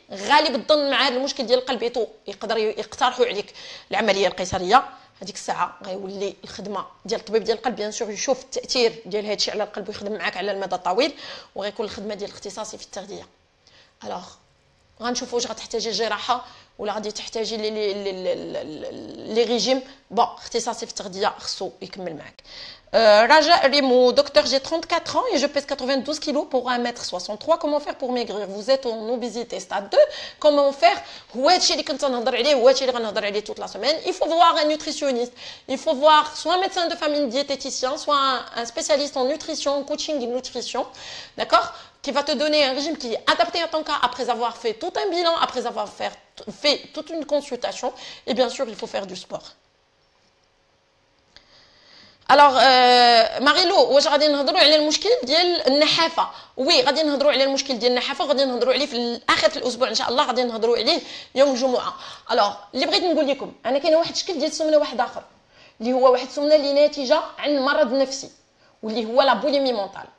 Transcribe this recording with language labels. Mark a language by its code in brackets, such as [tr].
[ar] غالب الظن مع هاد المشكل ديال القلب ايتو يقدر يقترحوا عليك العمليه القيصريه، هذيك الساعه غيولي الخدمه ديال الطبيب ديال القلب بيان سور يشوف التاثير ديال هادشي على القلب ويخدم معاك على المدى الطويل، وغيكون الخدمه ديال الاختصاصي في التغذيه. الوغ غنشوفوا واش غتحتاجي الجراحه ولا غادي تحتاجي لي ريجيم. بون اختصاصي في التغذيه خصو يكمل معاك. [fr] رجاء ريمو، دكتور جي 34 ans et je pèse 92 كيلو pour 1m63، comment faire pour maigrir؟ vous êtes en obésité stade 2، comment faire؟ [ar] هو هادشي اللي كنت نهضر عليه، هو هادشي اللي غنهضر عليه [fr] toute la semaine. il faut voir un nutritionniste، il faut voir soit un médecin de famille diététicien soit un spécialiste en nutrition coaching nutrition d'accord qui va te donner un régime qui est adapté à ton cas après avoir fait tout un bilan après avoir fait fait toute une consultation et bien sûr, il faut faire du sport. [ar] الوغ ماريلو واش غادي نهضروا على المشكل ديال النحافه؟ وي غادي نهضروا على المشكل ديال النحافه، غادي نهضروا عليه في اخر الاسبوع ان شاء الله، غادي نهضروا عليه يوم الجمعه. الوغ اللي بغيت نقول لكم، انا كاين واحد الشكل ديال السمنه واحد اخر، اللي هو واحد السمنه اللي ناتجه عن مرض نفسي واللي هو لا بوليمي مونطال.